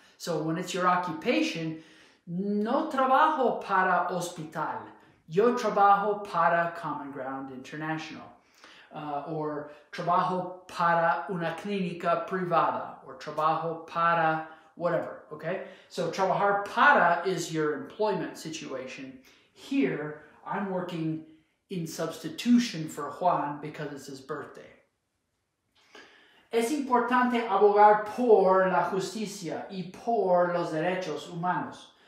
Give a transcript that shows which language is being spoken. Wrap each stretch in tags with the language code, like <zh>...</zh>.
<en>So when it's your occupation,</en> <es>no trabajo para hospital. Yo trabajo para Common Ground International. Or trabajo para una clínica privada, or trabajo para</es> <en>whatever, okay? So</en> <es>trabajar para</es> <en>is your employment situation. Here, I'm working in substitution for Juan because it's his birthday.</en> <es>Es importante abogar por la justicia y por los derechos humanos.</es>